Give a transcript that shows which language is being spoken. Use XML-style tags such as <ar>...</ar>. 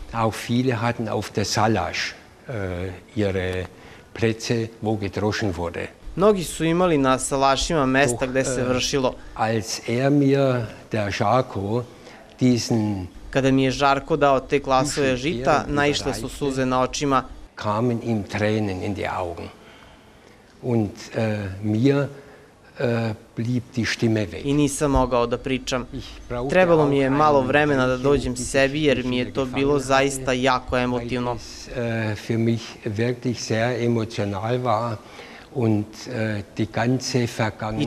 <de>Auch viele hatten auf der Salaš ihre Plätze, wo gedroschen wurde.</de> <sr>Mnogi su imali na Salašima mesta gde se vršilo.</sr> <de>Als mir der Žarko diesen</de> <sr>kada mi je Žarko dao te klasove žita, naišle su suze na očima.</sr> <de>Kamen ihm Tränen in die Augen. Und mir blieb die Stimme weg.</de> <sr>I nisam mogao da pričam. Trebalo mi je malo vremena da dođem sebi jer mi je to bilo zaista jako emotivno.</sr> <de>Für mich wirklich sehr emotional war und die ganze Vergangenheit.</de>